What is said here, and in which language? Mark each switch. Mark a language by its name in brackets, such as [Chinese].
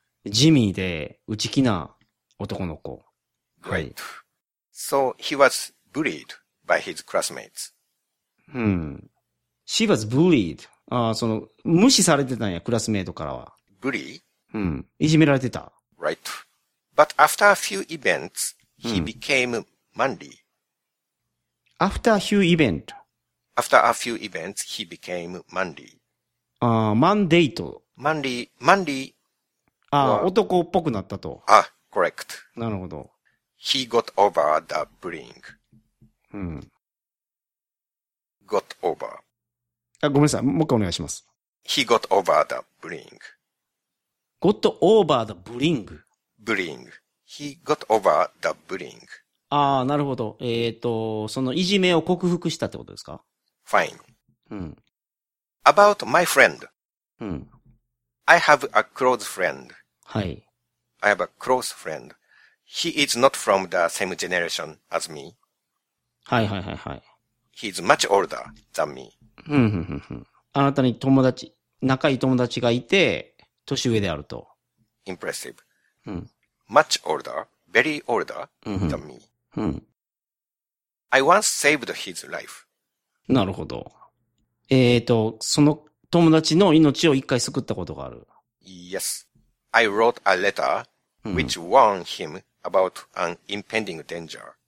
[Japanese] 地味で内気な男の子。 [English] Great.、はい、so he was bullied. By his classmates. She was bullied. [Japanese] ああ、その、無視されてたんや、クラスメイトからは。 [English] Bully? [Japanese] いじめられてた。 [English] Right. But after a few events, he became manly. After a few events? After a few events, he became manly. [Japanese] ああ、マンデート。 [English] Manly. [Japanese] ああ、男っぽくなったと。 [English] あ、correct. [Japanese] なるほど。 [English] He got over the bullying. [Japanese] うん、 [English] got over. [Japanese] あ、ごめんなさい。もう一回お願いします。 [English] He got over the bullying. Got over the bullying. Bullying. He got over the bullying. [Japanese] ああ、なるほど。そのいじめを克服したってことですか？ [English] Fine. [Japanese] うん。 [English] About my friend. [Japanese] うん。 [English] I have a close friend. [Japanese] はい。 [English] I have a close friend. He is not from the same generation as me. [Japanese] はいはいはいはい。 [English] He's much older than me. [Japanese] あなたに友達、仲いい友達がいて、年上であると。 [English] Impressive.、 [Japanese] うん、 [English] much older, very older than me. 、 [Japanese] うん、 [English] I once saved his life. [Japanese] なるほど。その友達の命を一回救ったことがある。 [English] Yes. I wrote a letter which warned him about an impending danger.